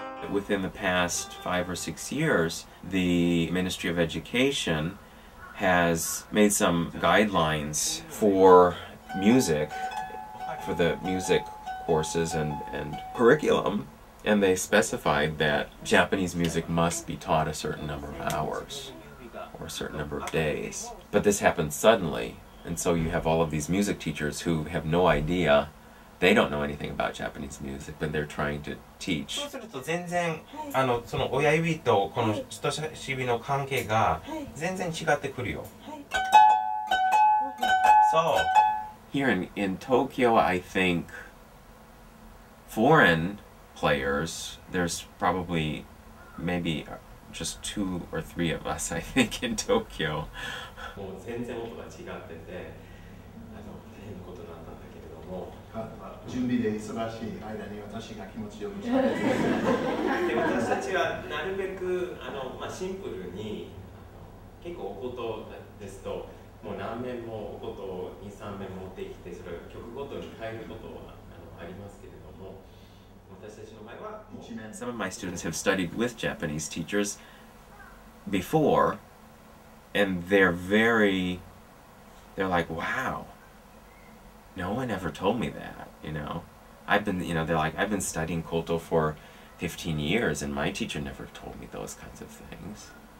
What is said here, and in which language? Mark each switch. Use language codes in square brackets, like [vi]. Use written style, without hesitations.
[en] Within the past 5 or 6 years, the Ministry of Education has made some guidelines for music, for the music courses and curriculum, and they specified that Japanese music must be taught a certain number of hours or a certain number of days. But this happened suddenly, and so you have all of these music teachers who have no idea. They don't know anything about Japanese music, but they're trying to teach. [ja] そうすると全然、はい、あのその親指とこの人差し指の関係が全然違ってくるよ。 [en] はい、so, here in Tokyo, I think foreign players, there's probably maybe just 2 or 3 of us, I think, in Tokyo. [ja] もう全然音が違ってて、あの大変なことだったんだけれども。準備で忙しい間に私が気持ちよくで私たちはなるべくあの、まあ、シンプルに結構おことですともう何面もおことを2、3面持ってきてそれを曲ごとに変えることは ありますけれども私たちの場合は [en] 1面 Some of my students have studied with Japanese teachers before and they're like wowNo one ever told me that, you know. I've been studying koto for 15 years and my teacher never told me those kinds of things.